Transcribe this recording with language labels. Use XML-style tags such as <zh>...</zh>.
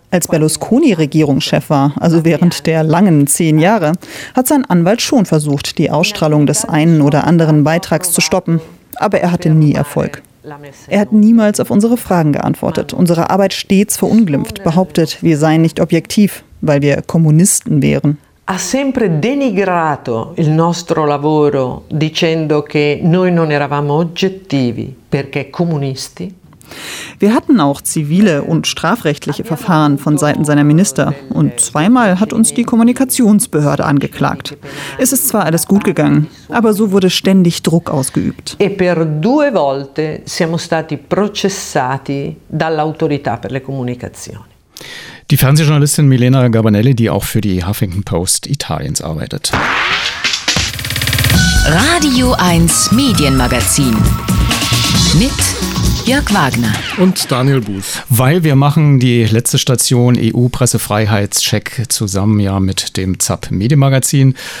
<de>Als Berlusconi Regierungschef war, also während der langen 10 Jahre, hat sein Anwalt schon versucht, die Ausstrahlung des einen oder anderen Beitrags zu stoppen. Aber er hatte nie Erfolg. Er hat niemals auf unsere Fragen geantwortet, unsere Arbeit stets verunglimpft, behauptet, wir seien nicht objektiv, weil wir Kommunisten wären.</de> <it>Ha sempre denigrato il nostro lavoro, dicendo che noi non eravamo oggettivi, perché comunisti.</it> <de>Wir hatten auch zivile und strafrechtliche Verfahren von Seiten seiner Minister und zweimal hat uns die Kommunikationsbehörde angeklagt. Es ist zwar alles gut gegangen, aber so wurde ständig Druck ausgeübt.</de> <it>E per due volte siamo stati processati dall'autorità per le comunicazioni.</it> <de>Die Fernsehjournalistin Milena Gabanelli, die auch für die Huffington Post Italiens arbeitet. Radio 1 Medienmagazin mit Jörg Wagner und Daniel Buß. Weil wir machen die letzte Station EU-Pressefreiheitscheck zusammen ja mit dem ZAP Medienmagazin.</de>